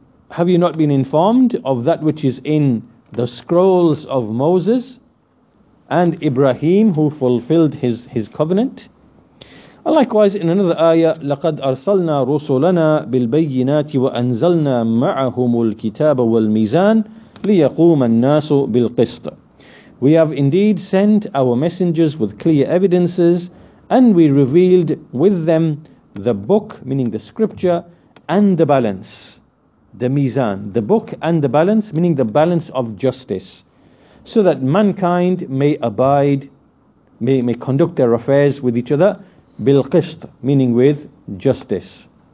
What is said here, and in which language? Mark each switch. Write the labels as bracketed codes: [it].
[en] Have you not been informed of that which is in the scrolls of Moses and Ibrahim, who fulfilled his covenant? And likewise, in another ayah, [ar] لَقَدْ أَرْسَلْنَا رُسُلَنَا بِالْبَيِّنَاتِ وَأَنْزَلْنَا مَعَهُمُ الْكِتَابَ وَالْمِيزَانَ لِيَقُومَ النَّاسُ بِالْقِسْطِ. [en] We have indeed sent our messengers with clear evidences, and we revealed with them the book, meaning the scripture, and the balance, the mizan, the book and the balance, meaning the balance of justice, so that mankind may abide, may conduct their affairs with each other, bilqist, meaning with justice.